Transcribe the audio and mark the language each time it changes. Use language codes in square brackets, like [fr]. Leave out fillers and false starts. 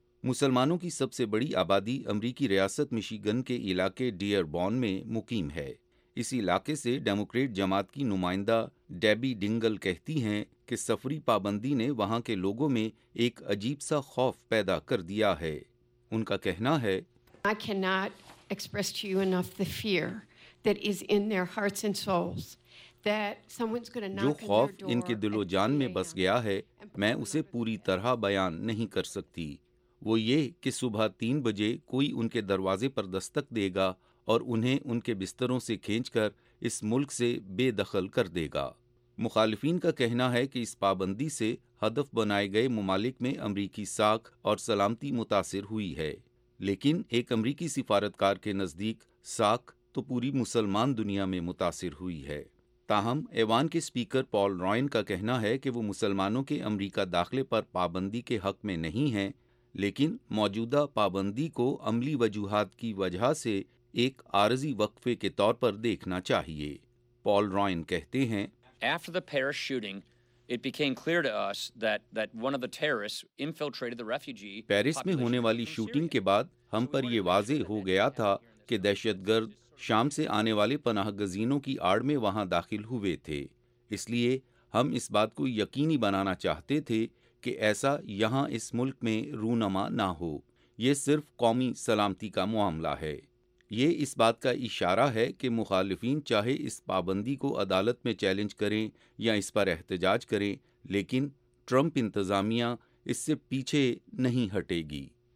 [ur] مسلمانوں کی سب سے بڑی آبادی امریکی ریاست مشیگن کے علاقے ڈیئر بورن میں مقیم ہے. اس علاقے سے ڈیموکریٹ جماعت کی نمائندہ ڈیبی ڈنگل کہتی ہیں کہ سفری پابندی نے وہاں کے لوگوں میں ایک عجیب سا خوف پیدا کر دیا ہے. ان کا کہنا ہے: [en] I cannot express to you enough the fear that is in their hearts and souls that someone's going to knock [ur] جو خوف ان کے دل و جان میں بس گیا ہے میں اسے پوری طرح بیان نہیں کر سکتی. وہ یہ کہ صبح 3 بجے کوئی ان کے دروازے پر دستک دے گا اور انہیں ان کے بستروں سے کھینچ کر اس ملک سے بے دخل کر دے گا. مخالفین کا کہنا ہے کہ اس پابندی سے ہدف بنائے گئے ممالک میں امریکی ساکھ اور سلامتی متاثر ہوئی ہے، لیکن ایک امریکی سفارتکار کے نزدیک ساکھ تو پوری مسلمان دنیا میں متاثر ہوئی ہے. تاہم ایوان کے سپیکر پال روائن کا کہنا ہے کہ وہ مسلمانوں کے امریکہ داخلے پر پابندی کے حق میں نہیں ہیں، لیکن موجودہ پابندی کو عملی وجوہات کی وجہ سے ایک عارضی وقفے کے طور پر دیکھنا چاہیے. پال روائن کہتے ہیں: [en] After the Paris shooting, it became clear to us that one of the terrorists infiltrated the refugee [ur] Paris میں ہونے والی شوٹنگ کے بعد ہم پر یہ واضح ہو گیا تھا کہ دہشت گرد شام سے آنے والے پناہ گزینوں کی آڑ میں وہاں داخل ہوئے تھے، اس لیے ہم اس بات کو یقینی بنانا چاہتے تھے کہ ایسا یہاں اس ملک میں رونما نہ ہو۔ یہ صرف قومی سلامتی کا معاملہ ہے۔ یہ اس بات کا اشارہ ہے کہ مخالفین چاہے اس پابندی کو عدالت میں چیلنج کریں یا اس پر احتجاج کریں، لیکن ٹرمپ انتظامیہ اس سے پیچھے نہیں ہٹے گی۔